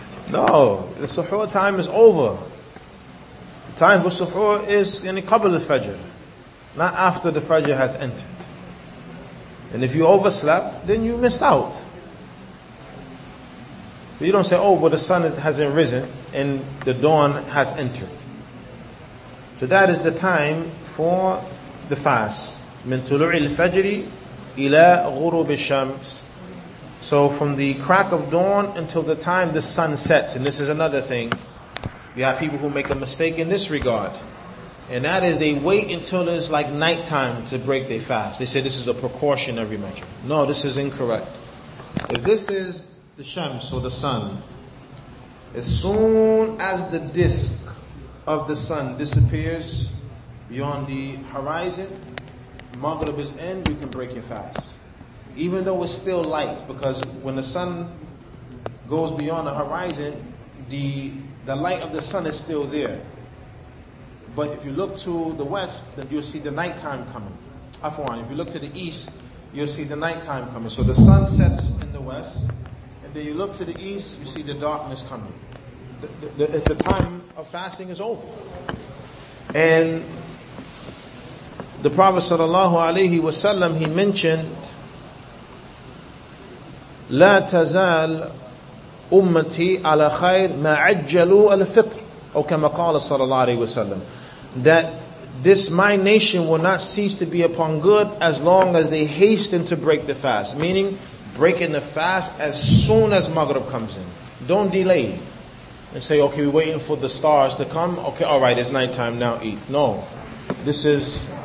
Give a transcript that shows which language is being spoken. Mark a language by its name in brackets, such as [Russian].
[English] No, the suhoor time is over. The time for suhoor is in the qabl al-fajr, not after the fajr has entered. And if you overslept, then you missed out. But you don't say, oh, but the sun hasn't risen and the dawn has entered. So that is the time for the fast. [Arabic] من طلوع الفجر إلى غروب الشمس. [English] So from the crack of dawn until the time the sun sets. And this is another thing. You have people who make a mistake in this regard. And that is they wait until it's like nighttime to break their fast. They say this is a precautionary measure. No, this is incorrect. If this is the shams, or the sun, as soon as the disk of the sun disappears beyond the horizon, Maghrib is in, you can break your fast. Even though it's still light, because when the sun goes beyond the horizon, the light of the sun is still there. But if you look to the west, then you'll see the nighttime coming. Afwan, if you look to the east, you'll see the nighttime coming. So the sun sets in the west, and then you look to the east, you see the darkness coming. The time of fasting is over. And the Prophet sallallahu alaihi wasallam, he mentioned, [Arabic] لا تزال أمتي على خير ما عجلوا الفطر, أو كما قال صلى الله عليه وسلم, that [English] this my nation will not cease to be upon good as long as they hasten to break the fast. Meaning, breaking the fast as soon as Maghrib comes in. Don't delay. And say, okay, we're waiting for the stars to come. Okay, all right, it's nighttime, now eat. No. This is...